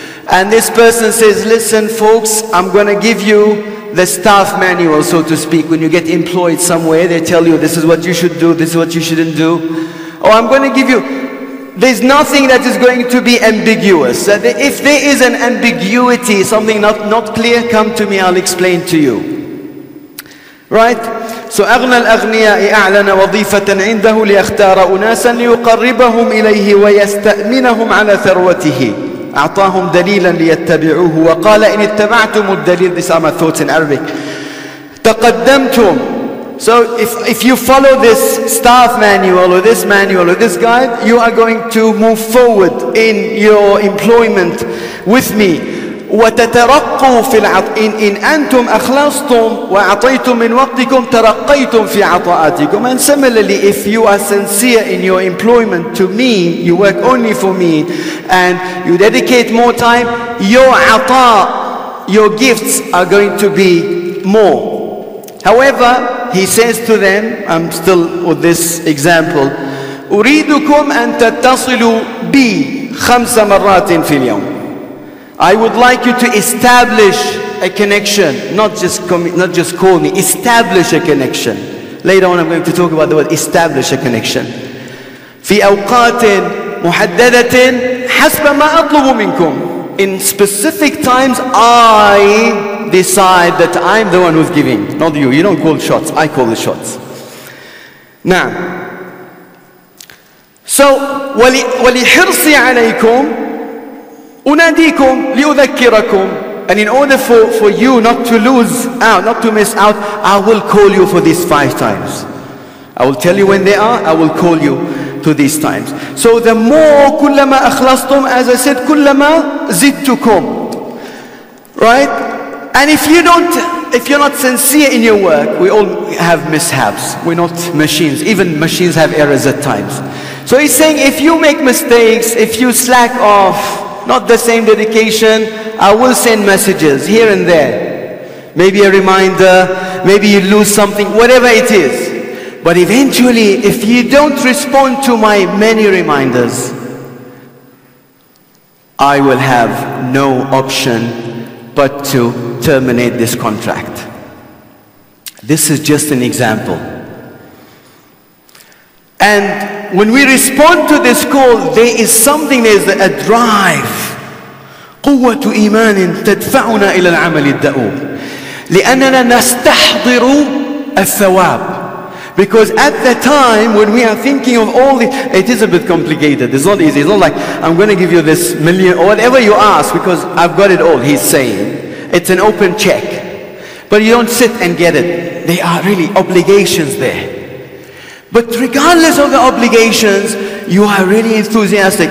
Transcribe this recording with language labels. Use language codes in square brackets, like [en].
[en] And this person says, listen folks, I'm gonna give you the staff manual, so to speak. When you get employed somewhere, they tell you this is what you should do, this is what you shouldn't do. Oh, I'm going to give you, there's nothing that is going to be ambiguous. If there is an ambiguity, something not clear, come to me, I'll explain to you. Right? [ar] So, أغنى الأغنياء أعلن وظيفة عنده ليختار أناسا ليقربهم إليه ويستأمنهم على ثروته. أعطاهم دليلا ليتبعوه وقال إن اتبعتم الدليل. [en] These are my thoughts in Arabic. [ar] تقدمتم. [en] So if you follow this staff manual or this manual or this guide, you are going to move forward in your employment with me. [ar] وتترقوا في العط إن أنتم أخلصتم وأعطيتم من وقتكم ترقيتم في عطاءاتكم. [en] And similarly, if you are sincere in your employment to me, you work only for me, and you dedicate more time, your عطاء, your gifts are going to be more. However, he says to them, I'm still with this example, [ar] أريدكم أن تتصلوا بي خمس مرات في اليوم. [en] I would like you to establish a connection, not just call me, establish a connection. Later on I'm going to talk about the word establish a connection. [ar] في أوقات محددة حسب ما أطلب منكم. [en] In specific times, I decide that I'm the one who's giving, not you. You don't call the shots, I call the shots. Now, so, [ar] وَلِحِرْصِ عَلَيْكُمْ أُنَادِيكُمْ لِأُذَكِّرَكُمْ. [en] And in order for you not to lose out, not to miss out, I will call you for these five times. I will tell you when they are, I will call you to these times. So the more [ar] كُلَّمَا أَخْلَصْتُمْ, [en] as I said, [ar] كُلَّمَا زِدْتُكُمْ. [en] Right? And if you're not sincere in your work, we all have mishaps. We're not machines. Even machines have errors at times. So he's saying, if you make mistakes, if you slack off, not the same dedication, I will send messages here and there. Maybe a reminder, maybe you lose something, whatever it is. But eventually, if you don't respond to my many reminders, I will have no option but to terminate this contract. This is just an example. And when we respond to this call, there is something, there is a drive. [ar] قوة إيمان تدفعنا إلى العمل الدؤوب لأننا نستحضر الثواب. [en] Because at that time, when we are thinking of all the, it is a bit complicated. It's not easy. It's not like, I'm going to give you this million or whatever you ask because I've got it all, he's saying. It's an open check. But you don't sit and get it. There are really obligations there. But regardless of the obligations, you are really enthusiastic.